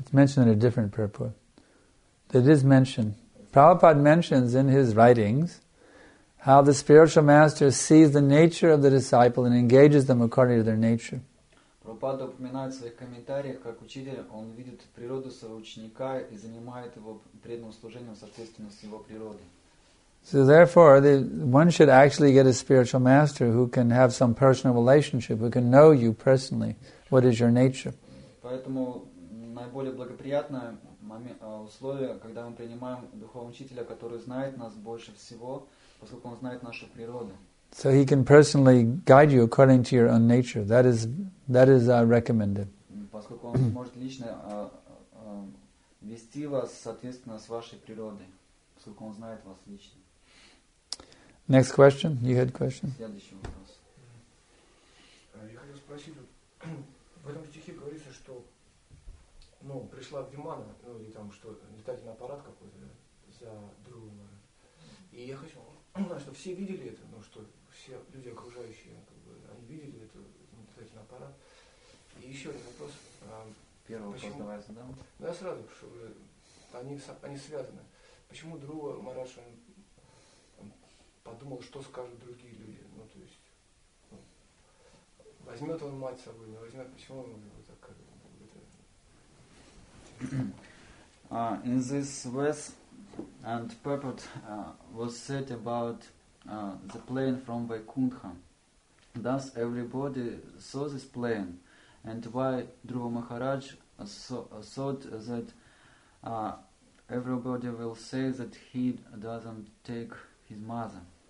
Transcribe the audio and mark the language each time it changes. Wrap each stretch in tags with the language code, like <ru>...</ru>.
<en>It's mentioned in a different purport. It is mentioned. Prabhupada mentions in his writings how the spiritual master sees the nature of the disciple and engages them according to their nature.</en> <ru>Prabhupada упоминает в своих комментариях, как учитель, он видит природу своего ученика и занимает его преданным служением в соответствии с его природой.</ru> <en>So therefore, one should actually get a spiritual master who can have some personal relationship, who can know you personally, what is your nature.</en> <ru>Поэтому наиболее благоприятное условие, когда мы принимаем духовного учителя, который знает нас больше всего, поскольку он знает нашу природу.</ru> <en>So he can personally guide you according to your own nature. That is recommended.</en> <ru>Поскольку он может лично вести вас соответственно с вашей природой, поскольку он знает вас лично.</ru> <en>Next question. You had a question.</en> <ru>Следующий вопрос. Я хотел спросить, в этом стихе говорится, что пришла Вимана, или там что, летательный аппарат какой-то, да, за другом. И я хочу, что все видели это, что все люди окружающие, они видели этот летательный аппарат. И еще один вопрос. Первый вопрос давай задам. Ну, я сразу, что они связаны. Почему Друва Мараша подумал, что скажут другие люди? Возьмет он мать с собой, не возьмет, почему он его так как бы.</ru> <en>In this verse and purport was said about the plane from Vaikuntha. Thus everybody saw this plane, and why Dhruva Maharaj thought that everybody will say that he doesn't take his mother.</en>